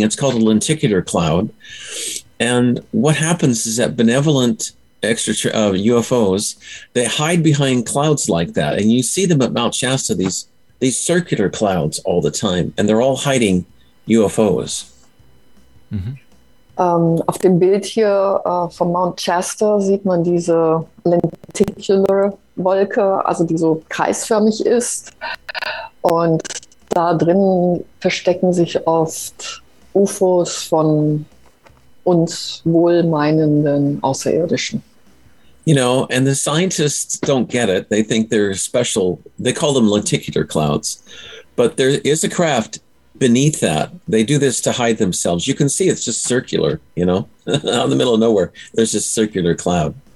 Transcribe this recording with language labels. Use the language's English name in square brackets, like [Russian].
[English] It's called a lenticular cloud. And what happens is that benevolent UFOs, they hide behind clouds like that, and you see them at Mount Shasta. These circular clouds all the time, and they're all hiding UFOs. Mm-hmm. [German] Auf dem Bild hier von Mount Shasta sieht man diese lenticular Wolke, also die so kreisförmig ist, und da drin verstecken sich oft UFOs von uns wohlmeinenden Außerirdischen. [English] You know, and the scientists don't get it. They think they're special. They call them lenticular clouds. But there is a craft beneath that. They do this to hide themselves. You can see it's just circular, you know, out in the middle of nowhere. There's this circular cloud.